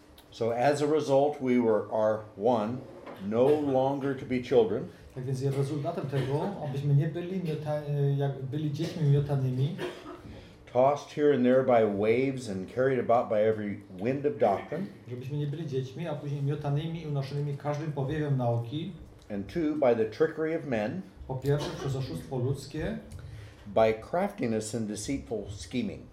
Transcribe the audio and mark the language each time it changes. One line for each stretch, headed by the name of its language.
English: So as a result, we were are one, no longer to be children.
Polish: Tak więc rezultatem tego, abyśmy nie byli byli dziećmi miotanymi.
English: Tossed here and there by waves and carried about by every wind of doctrine.
Polish: Żebyśmy nie byli dziećmi, a później miotanymi i unoszonymi każdym powiewem nauki.
English: And two, by the trickery of men.
Polish: Po pierwsze, przez oszustwo ludzkie.
English: By craftiness and deceitful scheming.